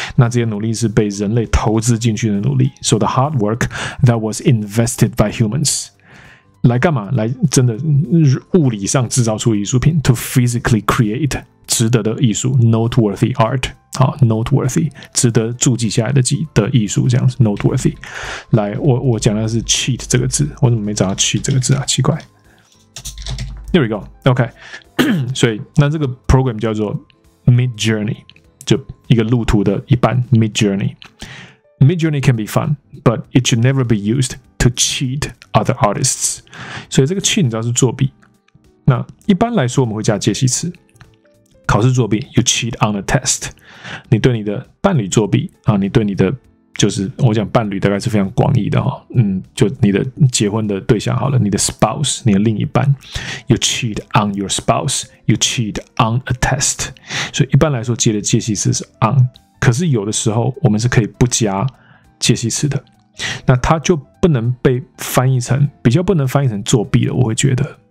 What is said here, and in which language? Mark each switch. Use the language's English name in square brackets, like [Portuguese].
[Chinese] 那这些努力是被人类投资进去的努力。 [English] So the hard work that was invested by humans， [Chinese] 来干嘛？来真的物理上制造出艺术品 ， [English] to physically create [Chinese] 值得的艺术 ，noteworthy art。好 ，noteworthy， 值得注记下来的艺术，这样子 ，noteworthy。来，我讲的是 cheat 这个字，我怎么没找到 cheat 这个字啊？奇怪。 [English] There we go. [Chinese] OK， 所以那这个 program 叫做 Mid Journey， 就一个路途的一半 ，Mid Journey。 [English] Mid Journey can be fun， but it should never be used to cheat other artists。 [Chinese] 所以这个 cheat 你知道是作弊。那一般来说，我们会加介系词。考试作弊 [English] ，you cheat on a test。 [Chinese] 你对你的伴侣作弊啊，你对你的就是我讲伴侣大概是非常广义的哈，嗯，就你的结婚的对象好了，你的 spouse， 你的另一半 ， [English] you cheat on your spouse， you cheat on a test。 [Chinese] 所以一般来说接的介系词是 on， 可是有的时候我们是可以不加介系词的，那它就不能被翻译成比较不能翻译成作弊了，我会觉得。